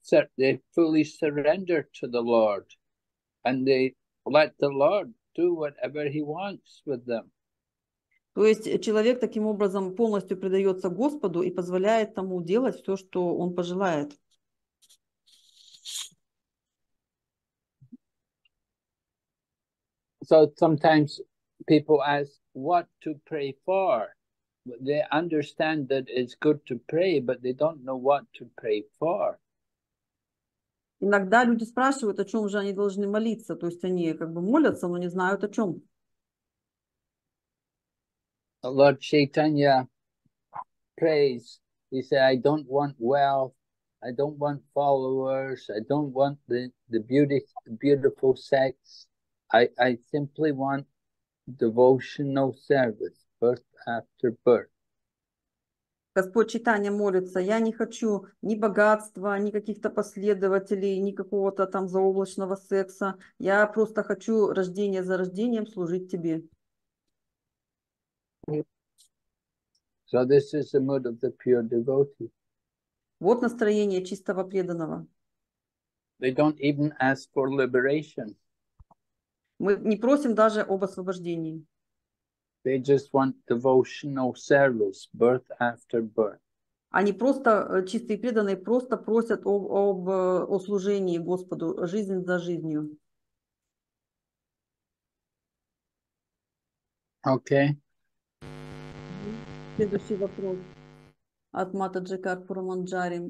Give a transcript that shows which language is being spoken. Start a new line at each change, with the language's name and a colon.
English: They fully surrender to the Lord, and they let the Lord do whatever He wants with them.
Russian: То есть человек таким образом полностью предается Господу и позволяет тому делать все, что он пожелает.
English: So sometimes people ask what to pray for. They understand that it's good to pray, but they don't know what to pray for.
Russian: Иногда люди спрашивают, о чем же они должны молиться. То есть они как бы молятся, но не знают о чем.
English: Lord Chaitanya prays. He said, I don't want wealth. I don't want followers. I don't want the beautiful sex. I simply want devotional service, birth after birth.
Russian: Господь Читания молится, я не хочу ни богатства, ни каких-то последователей, ни какого-то там заоблачного секса. Я просто хочу рождение за рождением служить тебе.
English: So this is the mood of the pure devotee.
Russian: Вот настроение чистого преданного.
English: They don't even ask for liberation.
Russian: Мы не просим даже об освобождении.
English: They just want devotional service, birth after birth.
Russian: Они просто, чистые преданные, просто просят о служении Господу, жизнь за жизнью.
English: Okay.
Russian: Следующий вопрос от Матаджи Карпура Манджари.